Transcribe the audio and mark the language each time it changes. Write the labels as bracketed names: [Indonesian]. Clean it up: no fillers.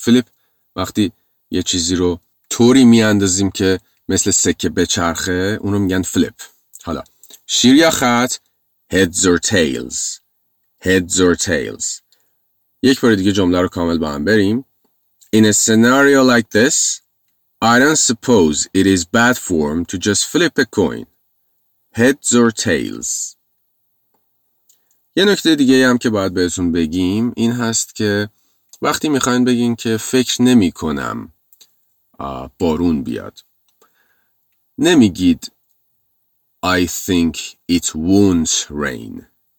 [Persian] Flip وقتی یه چیزی رو طوری میاندازیم که مثل سکه بچرخه، اونو میگن flip. حالا شیر یا خط؟ [English] heads or tails heads or tails. [Persian] یک بار دیگه جمله رو کامل با هم بریم. [English] In a scenario like this, I don't suppose it is bad form to just flip a coin. Heads or tails. [Persian] یه نکته دیگه هم که باید بهتون بگیم این هست که وقتی میخواین بگین که فکر نمی کنم بارون بیاد. نمیگید [English] I think it won't rain.